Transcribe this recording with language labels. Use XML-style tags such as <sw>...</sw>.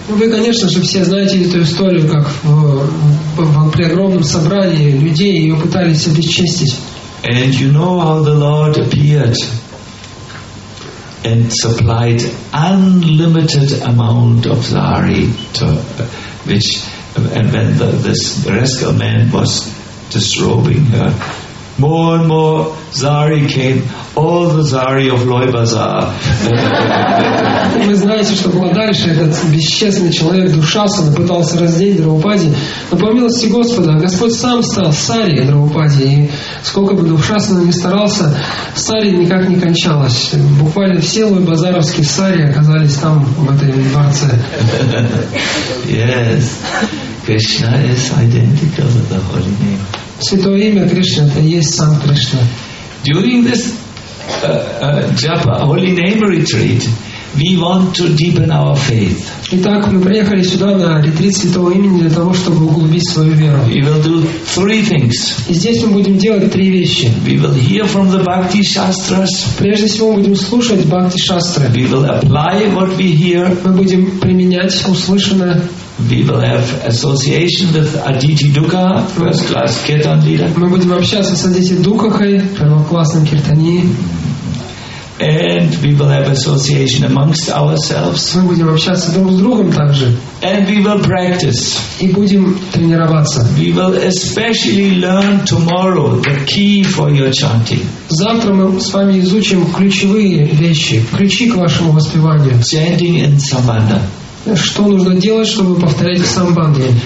<ru>Вы, конечно же, все знаете эту историю, как при огромном собрании людей ее пытались обесчестить.</ru> <en>And you know how the Lord appeared and supplied unlimited amount of zari to which and when this rascal man was disrobing her, more and more zari came, all the zari of Loy Bazaar.</en> <ru>Вы знаете, что было дальше? Этот бесчестный человек, душа, он пытался раздеть Драупади, но по милости Господа, Господь сам стал сари Драупади, и сколько бы душа ни старался, сари никак не кончалось. Буквально все Лой Базаровские сари оказались там, в этой дворце.</ru> <en>Yes. Krishna is identical with the Holy Name.</en> <ru>Святое имя Кришна, это есть сам Кришна.</ru> <en>During this Japa Holy Name retreat, we want to deepen our faith.</en> <ru>Итак, мы приехали сюда на ретрит Святого Имени для того, чтобы углубить свою веру.</ru> <en>We will do three things.</en> <ru>И здесь мы будем делать три вещи.</ru> <en>We will hear from the Bhakti Shastras.</en> <ru>Прежде всего, мы будем слушать Бхакти Шастры.</ru> <en>We will apply what we hear.</en> <ru>Мы будем применять услышанное.</ru> <en>We will have association with Aditi Dukha, first class Kirtan leader.</en> <ru>Мы будем общаться с Адити Дукахой, первоклассным киртанией.</ru> <en>And we will have association amongst ourselves.</en> <ru>Мы будем общаться друг с другом также.</ru> <en>And we will practice.</en> <ru>И будем тренироваться.</ru> <en>We will especially learn tomorrow the key for your chanting.</en> <ru>Завтра мы с вами изучим ключевые вещи, ключи к вашему воспеванию.</ru> <en>Chanting in Samvanda.</en> <ru>Что нужно делать, чтобы повторять самбанду?</ru>